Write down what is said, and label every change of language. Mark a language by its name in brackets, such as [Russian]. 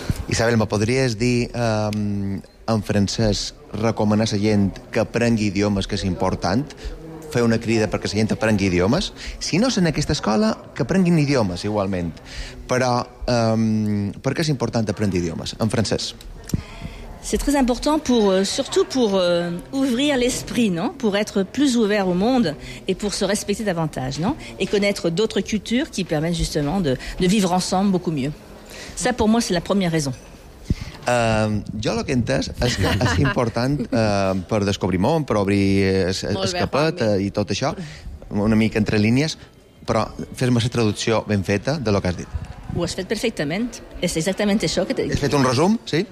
[Catalan] Isabel, me podries dir en francès recomanar a la gent que aprengui idiomes, que és important, fer una crida perquè la gent aprengui idiomes? Si no és en aquesta escola, que aprenguin idiomes igualment. Però per què és important aprendre idiomes en francès? [French] C'est très important pour, surtout pour ouvrir l'esprit, non? Pour être plus ouvert au monde et pour se respecter davantage, non? Et connaître d'autres cultures qui permettent justement de vivre ensemble beaucoup mieux. Ça, pour moi, c'est la première raison. [Catalan] Jo el que he entès és que és important per descobrir món, per obrir escapat i tot això, una mica entre línies, però fes-me la traducció ben feta de lo que has dit. Ho has fet perfectament. És exactament això que t'he dit. Has fet un resum, sí?